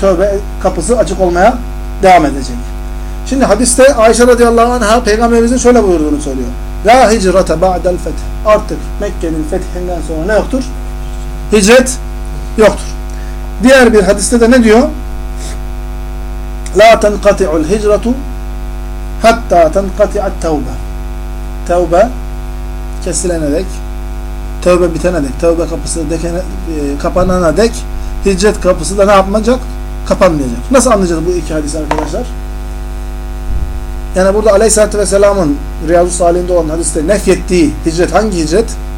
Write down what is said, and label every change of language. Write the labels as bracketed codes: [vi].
[tr] Tövbe kapısı açık olmaya devam edecek. Şimdi hadiste Ayşe radıyallahu anh'a peygamberimizin şöyle buyurduğunu söylüyor. [ar] لَا هِجْرَةَ بَعْدَ الْفَتْحِ. [tr] Artık Mekke'nin fethinden sonra ne yoktur? Hicret yoktur. Diğer bir hadiste de ne diyor? [ar] لَا تَنْقَطِعُ الْهِجْرَةُ حَتَّى تَنْقَطِعَ التَّوْبَ. [tr] Tövbe kesilene dek, tövbe bitene dek, tövbe kapısı kapanana dek hicret kapısı da ne yapmayacak? Kapanmayacak. Nasıl anlayacağız bu iki hadisi arkadaşlar? Yani burada Aleyhisselatü Vesselam'ın Riyazu Salihin'de olan hadiste nefyettiği hicret hangi hicret?